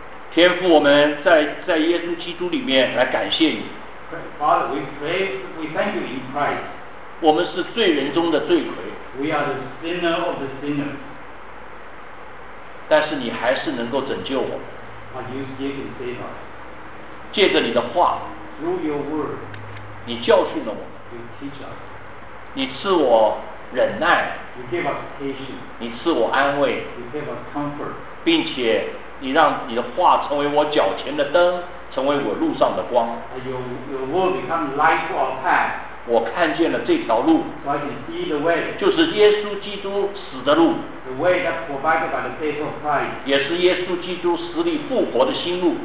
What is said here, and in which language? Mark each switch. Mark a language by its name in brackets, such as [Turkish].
[Chinese] 天父我们 在耶稣基督里面来感谢你 [English] Father we pray we thank you in Christ [Chinese] 我们是罪人中的罪魁 [English] We are the sinner of the sinners. [Chinese] 但是你还是能够拯救我。 [English] But you still can save us. [Chinese] 借着你的话。 [English] Through your word. [Chinese] 你教训了我。 [English] You teach us. [Chinese] 你赐我忍耐。 [English] You give us patience. [Chinese] 你赐我安慰。 [English] You give us comfort. [Chinese] 并且你让你的话成为我脚前的灯，成为我路上的光。 [English] Your word become light to our path. [Chinese] 我看见了这条路 [English] so I can see the way, [Chinese] 就是耶稣基督死的路 [English] the way that provided by the faith of Christ, [Chinese] 也是耶稣基督死里复活的新路